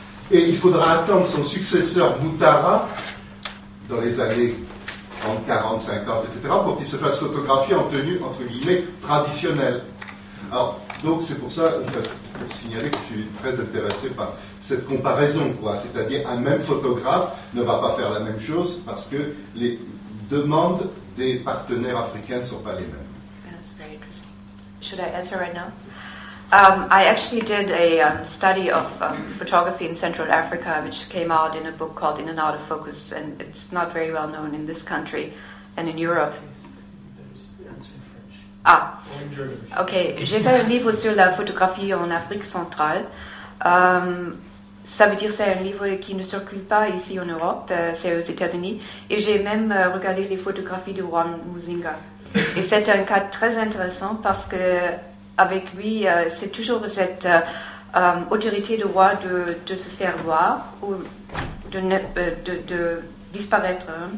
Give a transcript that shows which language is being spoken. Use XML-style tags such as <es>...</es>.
<fr>Et il faudra attendre son successeur Mutara, dans les années 30, 40, 50, etc., pour qu'il se fasse photographier en tenue, entre guillemets, traditionnelle. Alors, donc, c'est pour ça, pour signaler que je suis très intéressé par cette comparaison, quoi. C'est-à-dire, un même photographe ne va pas faire la même chose parce que les demandes des partenaires africains ne sont pas les mêmes.</fr> <en>That's very interesting. Should I answer right now? I actually did a study of photography in Central Africa, which came out in a book called In and Out of Focus, and it's not very well known in this country and in Europe. Ah, ok.</en> <fr>J'ai fait un livre sur la photographie en Afrique centrale. Ça veut dire que c'est un livre qui ne circule pas ici en Europe, c'est aux États-Unis. Et j'ai même regardé les photographies de Juan Muzinga. Et c'est un cas très intéressant parce que avec lui, c'est toujours cette autorité de roi de se faire voir ou de disparaître.</fr>